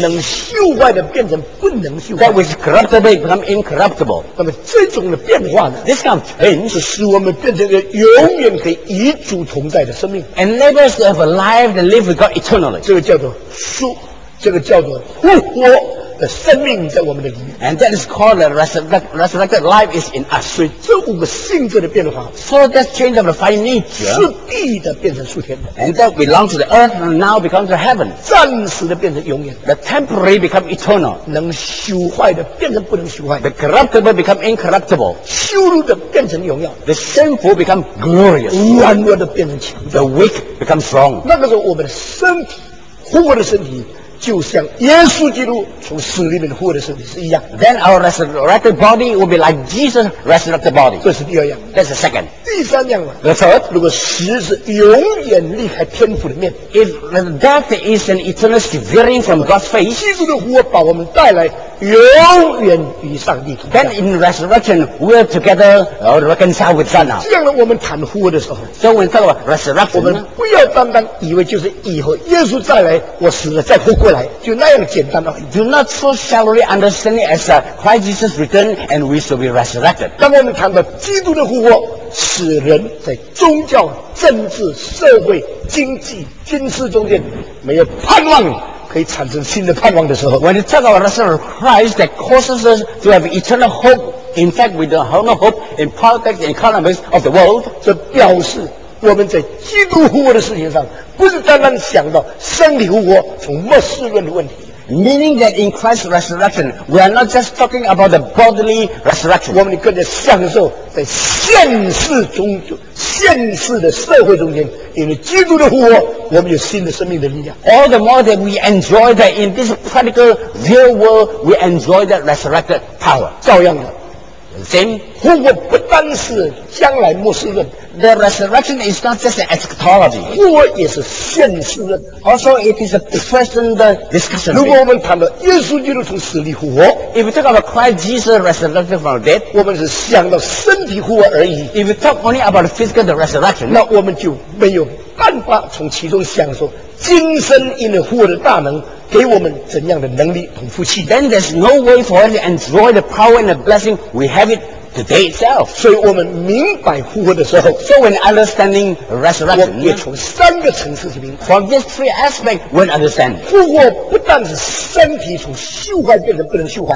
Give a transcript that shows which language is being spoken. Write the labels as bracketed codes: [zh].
[zh] 能朽坏的变成不能朽坏。 [en] That which is corruptible become incorruptible. [zh] 那么这种的变化呢？ [en] This kind of change [zh] 是使我们变成一个永远可以与主同在的生命。 [en] Enable us to have a life that live with God eternally. [zh] 这个叫做复，这个叫做复活。的生命在我们的里面。 [en] And that is called the resurrected life is in us. [zh] 所以这五个性质的变化。 [en] So that change of the five nature. [zh] 是地的变成数天的。 [en] And that belongs to the earth and now becomes the heaven. [zh] 暂时的变成永远。 [en] The temporary become eternal. [zh] 能朽坏的变成不能朽坏。 [en] The corruptible become incorruptible. [zh] 羞辱的变成荣耀。 [en] The sinful become glorious. [zh] 软弱的变成强。 [en] The weak become strong. [zh] 那个时候我们的身体，复活的身体就像耶稣基督从死里面复活的身体是一样。 [en] Then our resurrected body will be like Jesus' resurrected body. [zh] 这是第二样。 [en] That's the second. [zh] 第三样嘛。 [en] The third. [zh] 如果死是永远离开天父的面。 [en] If death is an eternal severing from God's face. [zh] 基督的复活把我们带来永远与上帝同在。 [en] Then in resurrection, we are together reconciled with God. [zh] 这样呢，我们谈复活的时候。 [en] So when we talk about resurrection, [zh] 我们不要单单以为就是以后耶稣再来，我死了再复活。过来就那样简单的。 [en] Do not so shallowly understand it as Christ Jesus returned and we shall be resurrected. [zh] 当我们谈到基督的复活，使人在宗教、政治、社会、经济、军事中间没有盼望，可以产生新的盼望的时候。 [en] When you talk about the resurrection of Christ that causes us to have eternal hope, in fact, we don't have no hope in politics and economics of the world. [zh] 这表示我们在基督复活的事情上。不是单单想到生理复活从末世论的问题。 [en] Meaning that in Christ's resurrection, we are not just talking about the bodily resurrection. [zh] 我们更加享受在现世中，现世的社会中间，因为基督的复活，我们有新的生命的力量。 [en] All the more that we enjoy that in this practical real world, we enjoy that resurrected power. [zh] 照样的。 [en] Then, [zh] 复活不单是将来末世论。 [en] The resurrection is not just an eschatology. [zh] 复活也是现世论。 [en] Also, it is a present discussion. [zh] 如果我们谈到耶稣基督从死里复活， [en] if we talk about Christ Jesus resurrected from the dead, [zh] 我们是想到身体复活而已。 [en] If we talk only about physical the resurrection, [zh] 那我们就没有办法从其中享受今生因复活的大能。给我们怎样的能力和福气？ [en] Then there's no way for us to enjoy the power and the blessing we have it the day itself. [zh] 所以我们明白复活的时候 [en] So when understanding resurrection, [zh] 我们也从三个层次去明白 [en] From these three aspects, when understand [zh] 复活不但是身体从朽坏变成不能朽坏